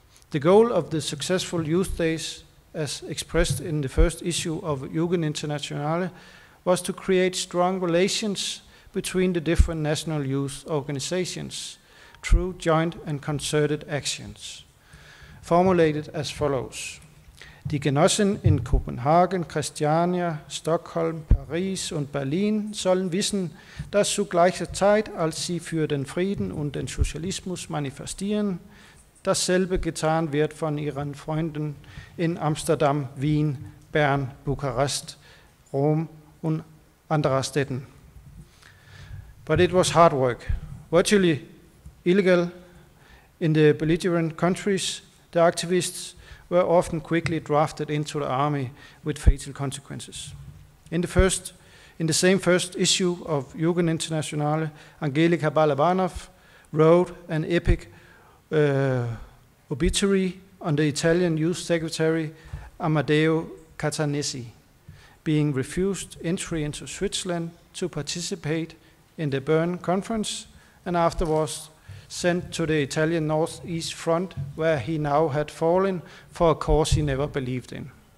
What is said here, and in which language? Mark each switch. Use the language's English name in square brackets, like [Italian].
[English] The goal of the successful Youth Days, as expressed in the first issue of Jugend Internationale, was to create strong relations between the different national youth organizations through joint and concerted actions, formulated as follows. [German] Die Genossen in Kopenhagen, Christiania, Stockholm, Paris und Berlin sollen wissen, dass zu gleicher Zeit, als sie für den Frieden und den Sozialismus manifestieren, dasselbe getan wird von ihren Freunden in Amsterdam, Wien, Bern, Bukarest, Rom und anderen Städten. [English] But it was hard work. Virtually illegal in the belligerent countries, the activists were often quickly drafted into the army with fatal consequences. In the same first issue of Jugend Internationale, Angelika Balabanov wrote an epic obituary on the Italian Youth Secretary Amadeo Catanese, being refused entry into Switzerland to participate in the Bern Conference and afterwards sent to the Italian Northeast Front, where he now had fallen for a cause he never believed in.